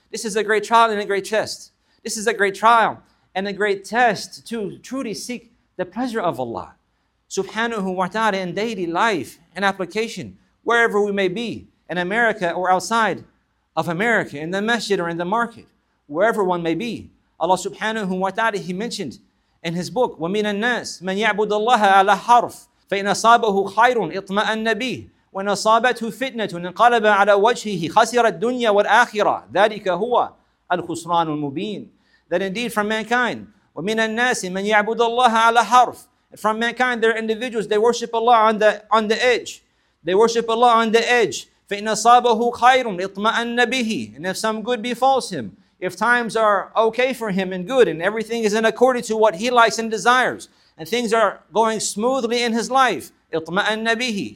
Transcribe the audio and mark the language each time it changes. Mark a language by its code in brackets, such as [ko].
[en] This is a great trial and a great test. This is a great trial and a great test to truly seek the pleasure of Allah subhanahu wa ta'ala in daily life and application, wherever we may be. In America or outside of America, in the masjid or in the market, wherever one may be. Allah subhanahu wa ta'ala, He mentioned in His book, [ar] وَمِنَ النَّاسِ مَنْ يَعْبُدُ اللَّهَ عَلَى حَرْفٍ فَإِنْ أَصَابَهُ خَيْرٌ اطْمَأَنَّ بِهِ وَإِنْ أَصَابَتْهُ فِتْنَةٌ انْقَلَبَ عَلَى وَجْهِهِ خَسِرَ الدُّنْيَا وَالْآخِرَةِ ذَلِكَ هُوَ الْخُسْرَانُ الْمُبِينُ. [en] That indeed from mankind, [ar] وَمِنَ النَّاسِ مَنْ يَعْبُدُ اللَّهَ عَلَى حَرْفٍ. [en] From mankind, there are individuals, they worship Allah on the edge. They worship Allah on the edge. [ar] فَإِنَّ صَابَهُ خَيْرٌ اطْمَأَنَّ بِهِ. [en] And if some good befalls him, if times are okay for him and good and everything is in accordance to what he likes and desires, and things are going smoothly in his life, [ar] اطْمَأَنَّ بِهِ.